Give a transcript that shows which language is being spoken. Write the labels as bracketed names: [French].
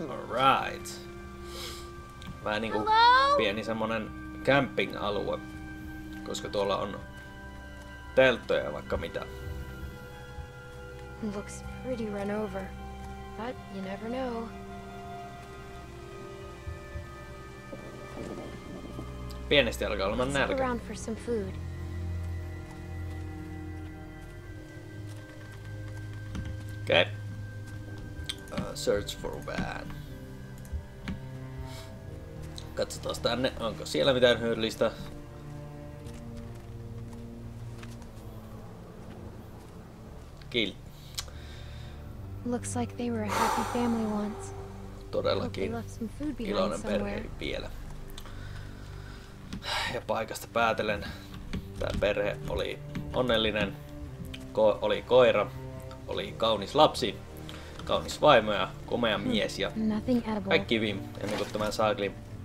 [English] Right. [Finnish] Vähän niinku pieni semmonen camping-alue, koska tuolla on telttoja vaikka mitä. [English] Looks pretty run over, but you never know. [Finnish] Pienesti alkaa olemaan nälkä. [English] Let's go around for some food. Okay. Search for van. [Finnish] Katsotaan tänne, onko siellä mitään hyödyllistä. [English] Kilt. Looks like they were a happy family once. [Finnish] Todellakin. Iloinen perhe vielä. Ja paikasta päätellen, tää perhe oli onnellinen. Oli koira, oli kaunis lapsi. Kaunis vaimo ja komea mies ja kaikki hyvin, ennen kuin tämän saaklin